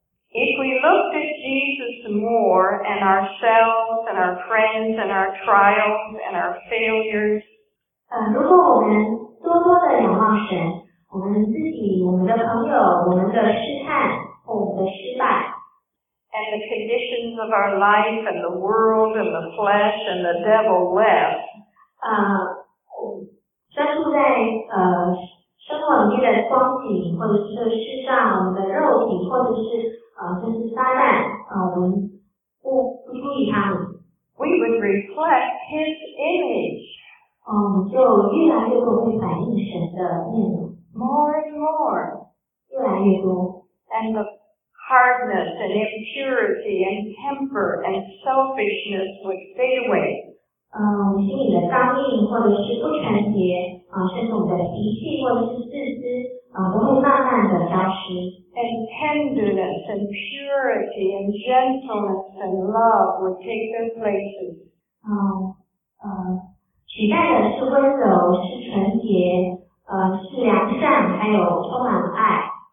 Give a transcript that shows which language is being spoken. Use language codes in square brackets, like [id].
[en] If we looked at Jesus more and ourselves and our friends and our trials and our failures, [zh] 如果我们多多的仰望神，我们自己、我们的朋友、我们的试探、我们的失败 [en] and the conditions of our life and the world and the flesh and the devil left, [zh] 专注在生活里面的光景，或者是世上我们的肉体，或者是就是撒旦，我们不注意他们。 [en] We would reflect his image. [zh] 就越来越多会反映神的面容。 [en] More and more. [zh] 越来越多。 [en] And the hardness and impurity and temper and selfishness would fade away. [zh] 心里的刚硬或者是不纯洁，甚至我们的脾气或者是自私，都会慢慢的消失。 [en] And tenderness and purity and gentleness and love would take their places. [zh] 取代的是温柔，是纯洁，是良善，还有充满爱。